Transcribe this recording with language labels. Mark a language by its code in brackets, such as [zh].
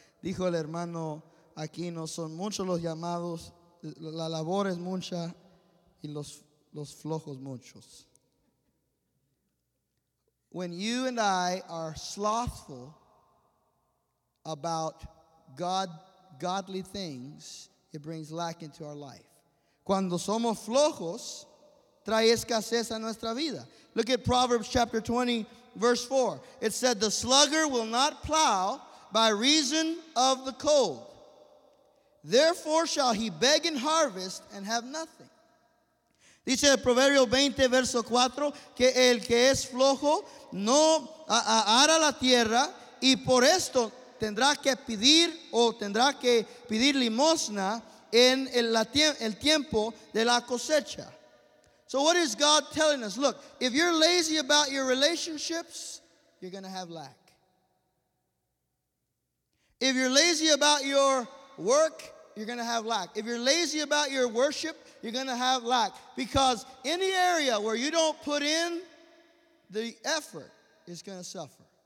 [es] Dijo el hermano Aquino, son muchos los llamados, la labor es mucha y los flojos muchos. [en] When you and I are slothful about godly things, it brings lack into our life. [es] Cuando somos flojos, trae escasez a nuestra vida. [en] Look at Proverbs chapter 20. Verse 4, it said, the sluggard will not plow by reason of the cold. Therefore shall he beg in harvest and have nothing. [es] Dice el Proverbio 20, verso 4, que el que es flojo no ara la tierra, y por esto tendrá que pedir o tendrá que pedir limosna en el tiempo de la cosecha. [en] So what is God telling us? Look, if you're lazy about your relationships, you're going to have lack. If you're lazy about your work, you're going to have lack. If you're lazy about your worship, you're going to have lack. Because any area where you don't put in the effort is going to suffer.